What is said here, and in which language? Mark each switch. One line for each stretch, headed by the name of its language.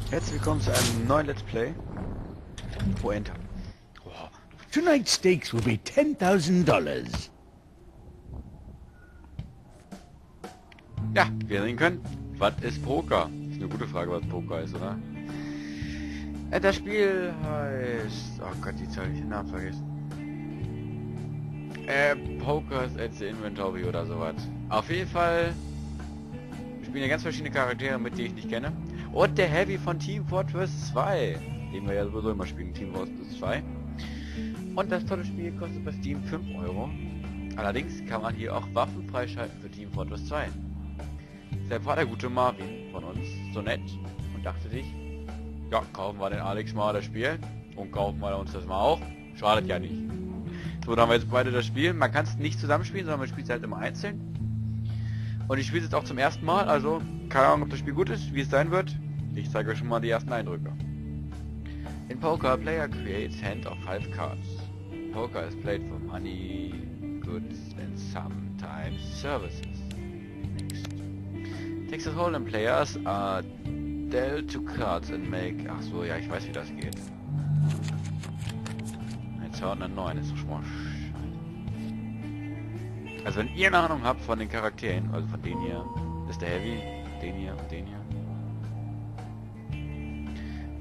German: Willkommen zu einem neuen Let's Play.
English: Enter. Oh. Tonight's stakes will be $10,000.
German: Ja, wie ihr sehen könnt, was ist Poker? Ist eine gute Frage, was Poker ist, oder? Das Spiel heißt... Oh Gott, die Zahl habe ich den Namen vergessen.
English: Poker's at the Inventory
German: oder sowas. Auf jeden Fall... Wir spielen ja ganz verschiedene Charaktere mit, die ich nicht kenne. Und der Heavy von Team Fortress 2, den wir ja sowieso immer spielen, Team Fortress 2. Und das tolle Spiel kostet bei Steam 5 Euro. Allerdings kann man hier auch Waffen freischalten für Team Fortress 2. Deshalb war der gute Marvin von uns so nett und dachte sich, ja, kaufen wir den Alex mal das Spiel und kaufen wir uns das mal auch. Schadet ja nicht. So, dann haben wir jetzt beide das Spiel. Man kann es nicht zusammenspielen, sondern man spielt es halt immer einzeln. Und ich spiele es jetzt auch zum ersten Mal, also keine Ahnung, ob das Spiel gut ist, wie es sein wird. Ich zeige euch schon mal die ersten Eindrücke.
English: In Poker, player creates hand of 5 cards. Poker is played for money, goods and sometimes services. Next. Texas Hold'em players are dealt 2 cards and make...
German: Ach so, ja, ich weiß, wie das geht. Ein 209 ist doch schon mal... Also wenn ihr eine Ahnung habt von den Charakteren, also von denen hier, ist der Heavy, den hier und den hier.